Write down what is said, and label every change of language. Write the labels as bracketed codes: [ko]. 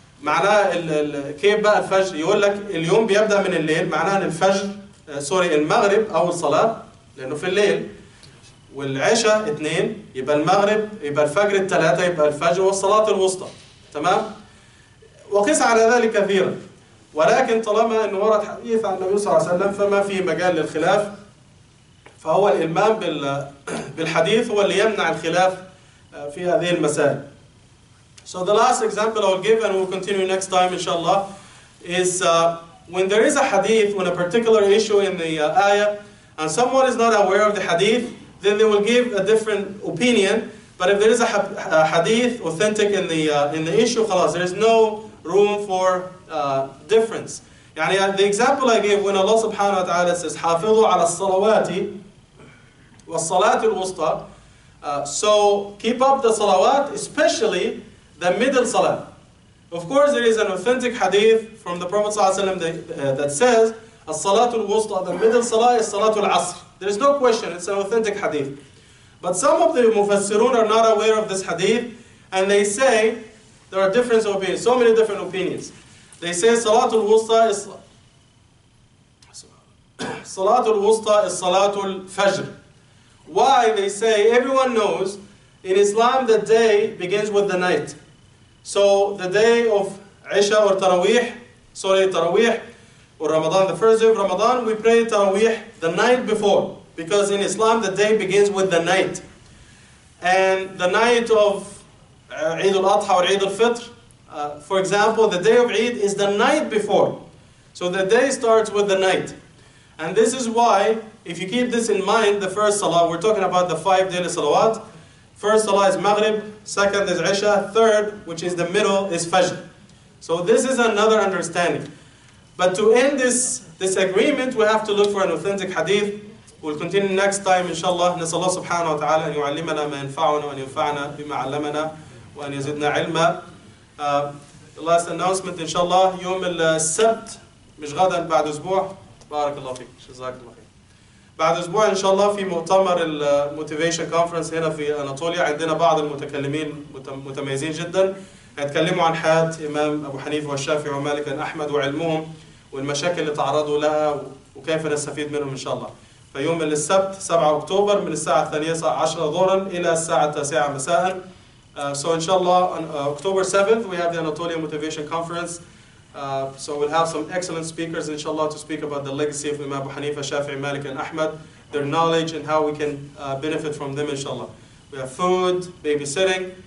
[ar] معناه كيف بقى الفجر؟ يقول لك اليوم بيبدأ من الليل، معناه ان الفجر سوري المغرب او الصلاة لانه في الليل، والعشاء اثنين، يبقى المغرب، يبقى الفجر الثلاثة، يبقى الفجر والصلاة الوسطى، تمام؟ وقس على ذلك كثيرا. ولكن طالما انه ورد حديث عن النبي صلى الله عليه وسلم فما في مجال للخلاف، فهو الإلمام بالحديث هو اللي يمنع الخلاف في هذه المسائل. [en] So the last example I will give and we'll continue next time inshallah is when there is a hadith on a particular issue in the ayah and someone is not aware of the hadith, then they will give a different opinion. But if there is a hadith authentic in the issue, خلاص, there is no room for difference. يعني the example I gave when Allah subhanahu wa ta'ala says [ar] حافظوا على الصلوات والصلاة الوسطى, [en] so keep up the salawat, especially the middle salah. Of course, there is an authentic hadith from the Prophet صلى الله عليه وسلم that says الصلاة الوسطى, the middle salah is صلاة العصر. There is no question, it's an authentic hadith. But some of the mufassirun are not aware of this hadith and they say there are different opinions, so many different opinions. They say صلاة الوسطى is صلاة الوسطى is صلاة الفجر. Why? They say everyone knows in Islam the day begins with the night. So the day of Isha or Taraweeh, sorry, Taraweeh or Ramadan, the first day of Ramadan, we pray Taraweeh the night before. Because in Islam the day begins with the night. And the night of Eid al-Adha or Eid al-Fitr, for example, the day of Eid is the night before. So the day starts with the night. And this is why, if you keep this in mind, the first salah, we're talking about the five daily salawat. First salah is Maghrib, second is Isha, third, which is the middle, is Fajr. So this is another understanding. But to end this agreement, we have to look for an authentic hadith. We'll continue next time, inshallah. [ar] نسأل الله سبحانه وتعالى أن يعلمنا ما ينفعنا وأن ينفعنا بما علمنا وأن يزدنا علما. [en] The last announcement, inshallah, [ar] يوم السبت, مش غدا, بعد أسبوع. بارك الله فيك, جزاك الله خير. بعد أسبوع إن شاء الله في مؤتمر الموتيفيشن كونفرنس هنا في أناطوليا, عندنا بعض المتكلمين متميزين جدا هيتكلموا عن حياة إمام أبو حنيفة والشافعي ومالك أحمد وعلمهم والمشاكل اللي تعرضوا لها وكيف نستفيد منهم إن شاء الله. فيوم السبت 7 أكتوبر من الساعة 2:10 ظهرا إلى الساعة 9 مساء. [en] So إن شاء الله on October 7th we have the Anatolia Motivation Conference. So we'll have some excellent speakers, inshallah, to speak about the legacy of Imam Abu Hanifa, Shafi'i, Malik, and Ahmad, their knowledge, and how we can benefit from them, inshallah. We have food, babysitting.